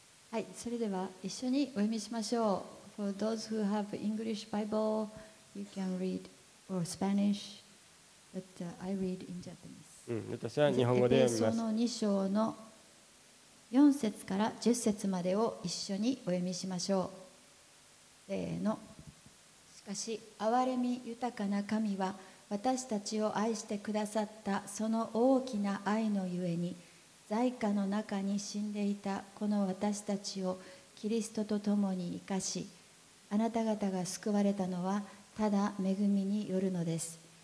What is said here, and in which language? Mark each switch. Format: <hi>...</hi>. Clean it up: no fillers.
<ja>はい、それでは一緒にお読みしましょう。</ja> <en>For those who have English Bible, you can read or Spanish, but I read in Japanese.</en> <ja>私は日本語で読みます。エペソの2章の4節から10節までを一緒にお読みしましょう。せーの。しかし憐れみ豊かな神は私たちを愛してくださったその大きな愛のゆえに罪禍の中に死んでいたこの私たちをキリストと共に生かし、あなた方が救われたのはただ恵みによるのです。</ja>